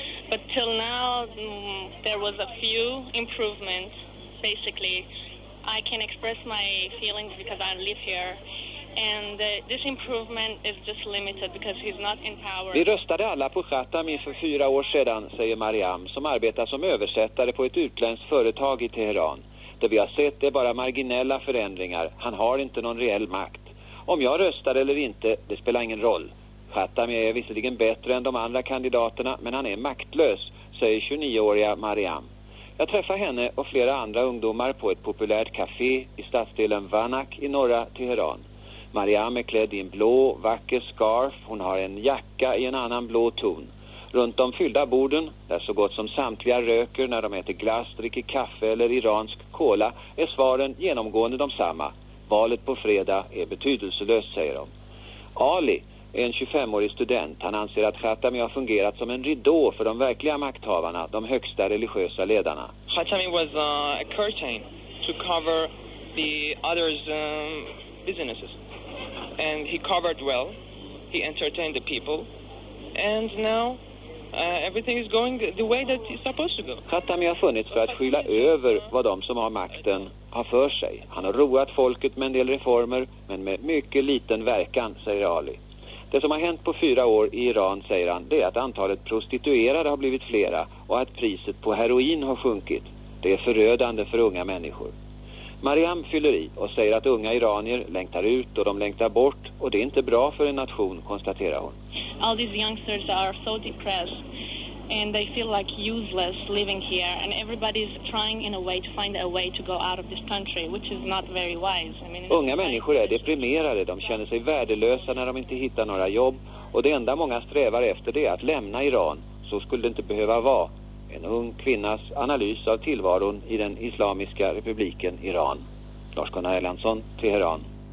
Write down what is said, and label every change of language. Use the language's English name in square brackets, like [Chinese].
[English] But till now there was a few improvements. Basically, I can express my feelings because I live here. And this improvement is just limited because he's not in power. [Swedish] Vi röstade alla på Khatami för 4 år sedan, säger Mariam, som arbetar som översättare på ett utländskt företag i Teheran. Det vi har sett är bara marginella förändringar. Han har inte någon reell makt. Om jag röstar eller inte, det spelar ingen roll. Khatami är visserligen bättre än de andra kandidaterna, men han är maktlös, säger 29-åriga Mariam. Jag träffar henne och flera andra ungdomar på ett populärt café i stadsdelen Vanak i norra Teheran. Mariam är klädd i en blå, vacker scarf. Hon har en jacka i en annan blå ton. Runt de fyllda borden, där så gott som samtliga röker när de äter glass, dricker kaffe eller iransk cola, är svaren genomgående de samma. Valet på fredag är betydelselöst, säger de. Ali är en 25-årig student. Han anser att Khatami har fungerat som en ridå för de verkliga makthavarna, de högsta religiösa ledarna. [English] Khatami was a curtain to cover the others' businesses. And he covered well. He entertained the people. And now everything is going the way that it's supposed to go. [Swedish] Khatami har funnits för att skylla över vad de som har makten har för sig. Han har roat folket med en del reformer, men med mycket liten verkan, säger Ali. Det som har hänt på 4 år i Iran, säger han, det är att antalet prostituerade har blivit flera och att priset på heroin har sjunkit. Det är förödande för unga människor. Mariam fyller i och säger att unga iranier längtar ut och de längtar bort, och det är inte bra för en nation, konstaterar hon. [English] All these youngsters are so depressed and they feel like useless living here, and everybody is trying in a way to find a way to go out of this country, which is not very wise. [Swedish] Unga människor är deprimerade, de känner sig värdelösa när de inte hittar några jobb, och det enda många strävar efter det är att lämna Iran. Så skulle det inte behöva vara. En ung kvinnas analys av tillvaron i den islamiska republiken Iran. Lars-Gunnar Erlandsson, Teheran.